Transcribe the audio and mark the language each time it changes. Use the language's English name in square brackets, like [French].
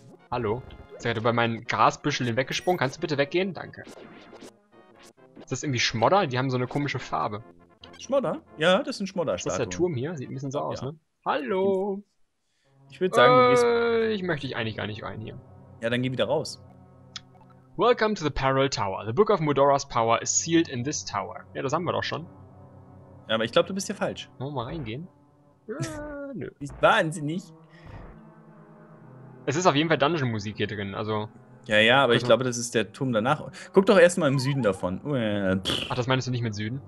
[German] Hallo? Seid ihr bei meinen Grasbüscheln weggesprungen? Kannst du bitte weggehen? Danke. Ist das irgendwie Schmodder? Die haben so eine komische Farbe. Schmodder? Ja, das sind Schmodderstatuen. Das ist der Turm hier. Sieht ein bisschen so aus, ja, ne? Hallo? Ich würde sagen, ich möchte dich eigentlich gar nicht rein hier. Ja, dann geh wieder raus. [English] Welcome to the Peril Tower. The Book of Mudoras Power is sealed in this tower. [German] Ja, das haben wir doch schon. Ja, aber ich glaube, du bist hier falsch. Wollen wir mal reingehen? Nö. Ist wahnsinnig. Es ist auf jeden Fall Dungeon-Musik hier drin, also... Ja, ja, aber ich glaube, das ist der Turm danach. Guck doch erstmal im Süden davon. Ach, das meinst du nicht mit Süden?